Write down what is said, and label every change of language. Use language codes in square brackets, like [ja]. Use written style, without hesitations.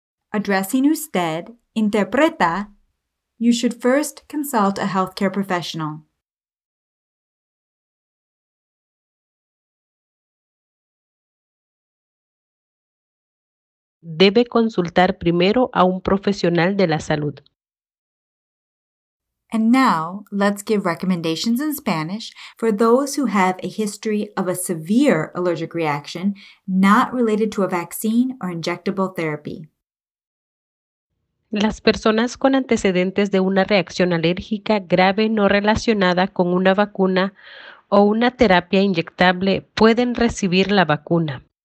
[en] Addressing usted, interpreta, you should first consult a healthcare professional. [es] Debe consultar primero a un profesional de la salud. [en] And now, let's give recommendations in Spanish for those who have a history of a severe allergic reaction not related to a vaccine or injectable therapy. [es] Las personas con antecedentes de una reacción alérgica grave no relacionada con una vacuna o una terapia inyectable pueden recibir la vacuna.